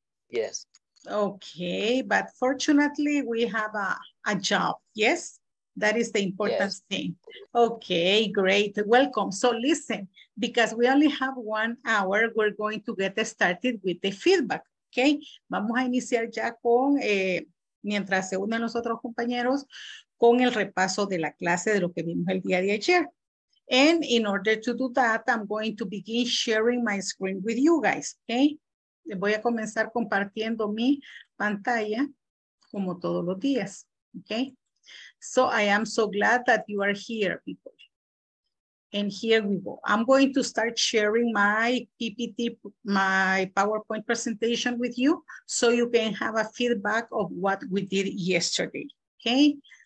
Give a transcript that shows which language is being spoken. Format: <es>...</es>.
<en>Yes. Okay, but fortunately we have a job, yes? That is the important thing. Okay, great, welcome. So listen, because we only have 1 hour, we're going to get started with the feedback, okay?</en> <es>Vamos a iniciar ya con, mientras se unen los otros compañeros, con el repaso de la clase de lo que vimos el día de ayer.</es> <en>And in order to do that, I'm going to begin sharing my screen with you guys, okay?</en> <es>Voy a comenzar compartiendo mi pantalla como todos los días, okay?</es> <en>So I am so glad that you are here, people. And here we go. I'm going to start sharing my PPT, my PowerPoint presentation with you so you can have a feedback of what we did yesterday, okay?</en>